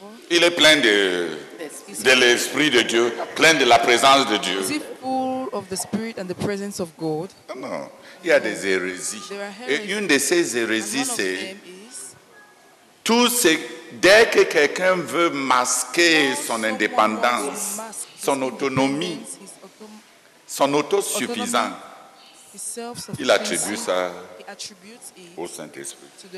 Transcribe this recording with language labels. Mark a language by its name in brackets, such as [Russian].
[French] Il est plein de l'esprit de Dieu, plein de la présence de Dieu. [English] Is he full of the spirit and the presence of God? [French] Non, il y a des hérésies. Et une de ces hérésies, c'est tout ce, dès que quelqu'un veut masquer son indépendance, son autonomie, son autosuffisance, il attribue ça au Saint-Esprit.